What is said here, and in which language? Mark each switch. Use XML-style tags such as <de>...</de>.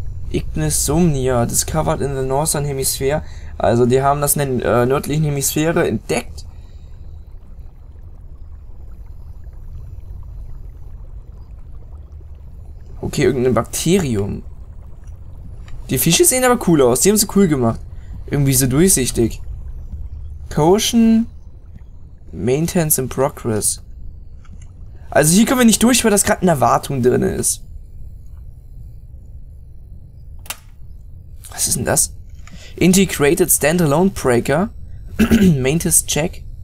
<en>Ignis Somnia, discovered in the Northern Hemisphere.</en> <de>Also die haben das in der nördlichen Hemisphäre entdeckt. Okay, irgendein Bakterium. Die Fische sehen aber cool aus. Die haben sie cool gemacht. Irgendwie so durchsichtig.</de> <en>Caution. Maintenance in progress.</en> <de>Also hier kommen wir nicht durch, weil das gerade eine Erwartung drin ist. Was ist denn das?</de> <en>Integrated Standalone Breaker. Maintenance Check.</en>